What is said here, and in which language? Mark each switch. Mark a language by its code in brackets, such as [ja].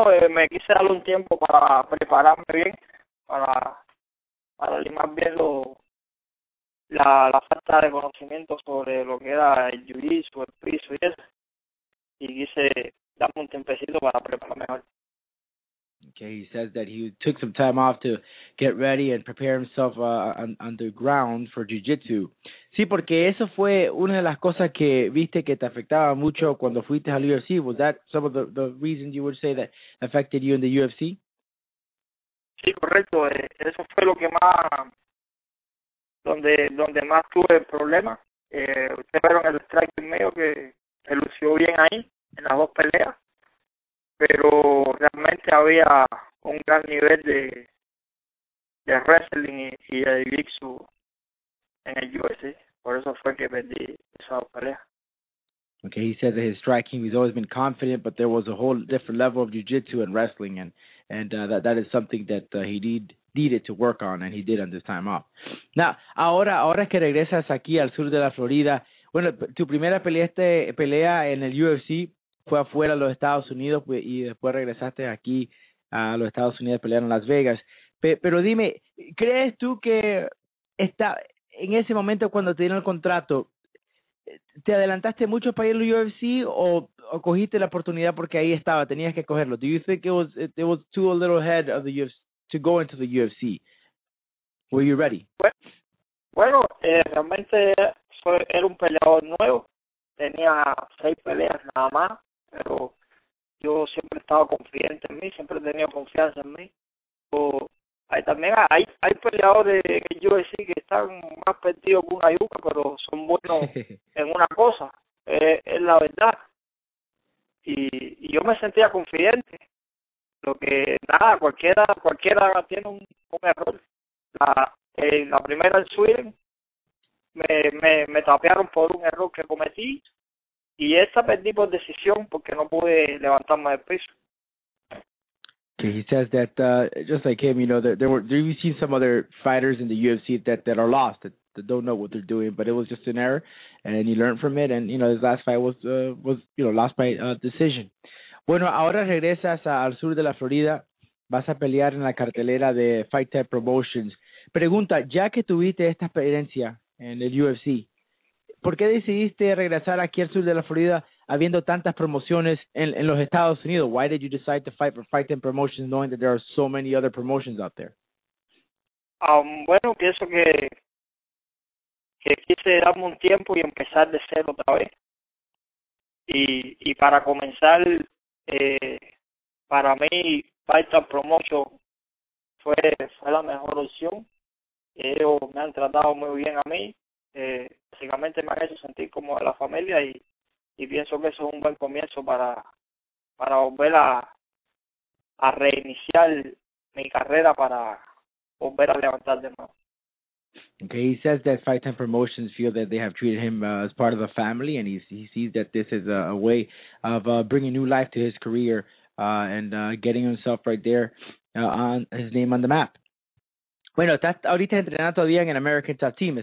[es] Me quise dar un tiempo para prepararme bien, para limar bien la falta de conocimiento sobre lo que era el jiu-jitsu, el piso y eso. Y quise darme un tiempecito para prepararme mejor. [en] Okay, he says that he took some time off to get ready and prepare himself underground for jiu-jitsu. [es] Sí, porque eso fue una de las cosas que viste que te afectaba mucho cuando fuiste al UFC. [en] Was that some of the reasons you would say that affected you in the UFC? [es] Sí, correcto. Eso fue lo que más, donde más tuve problemas. Ustedes vieron el strike en medio que lució bien ahí, en las dos peleas. Pero realmente había un gran nivel de wrestling y de jiu-jitsu en el UFC. Por eso fue que perdí esa pelea. [en] Okay, he said that his striking, he's always been confident, but there was a whole different level of jiu-jitsu and wrestling, and that is something that he needed to work on, and he did on this time off. [es] Now, ahora que regresas aquí al sur de la Florida, bueno, tu primera pelea en el UFC fue afuera de los Estados Unidos y después regresaste aquí a los Estados Unidos a pelear en Las Vegas. Pero dime, ¿crees tú que está en ese momento cuando te dieron el contrato, te adelantaste mucho para ir al UFC o cogiste la oportunidad porque ahí estaba, tenías que cogerlo? [en] Do you think it was too a little ahead of the UFC to go into the UFC? Were you ready? [es] Bueno, realmente era un peleador nuevo. Tenía 6 peleas nada más, pero yo siempre estaba confiante en mí, siempre he tenido confianza en mí. También hay peleadores que yo decía que están más perdidos que una yuca, pero son buenos en una cosa, es la verdad. Y yo me sentía confiante, lo que nada, cualquiera tiene un error. La primera en Sweden me tapearon por un error que cometí, y esta perdí por decisión porque no pude levantar más el peso. [en] Okay, he says that just like him, you know, there were. Have you seen some other fighters in the UFC that are lost, that that don't know what they're doing, but it was just an error, and he learned from it, and, you know, his last fight was lost by decision. [es] Bueno, ahora regresas al sur de la Florida, vas a pelear en la cartelera de Fight Type Promotions. Pregunta, ya que tuviste esta experiencia en el UFC, ¿por qué decidiste regresar aquí al sur de la Florida habiendo tantas promociones en los Estados Unidos? [en] Why did you decide to fight for Fight Type Promotions knowing that there are so many other promotions out there? [es] Bueno, pienso que quise darme un tiempo y empezar de cero otra vez. Y para comenzar, para mí, Fight Type Promotion fue la mejor opción. Ellos me han tratado muy bien a mí. Básicamente me han hecho sentir como de la familia y pienso que eso es un buen comienzo para volver a reiniciar mi carrera para volver a levantar de nuevo. [en] Okay, he says that Fight Time Promotions feel that they have treated him as part of a family, and he sees that this is a way of bringing new life to his career and getting himself right there on his name on the map. [es] Bueno, estás ahorita entrenando todavía en el American Top Team.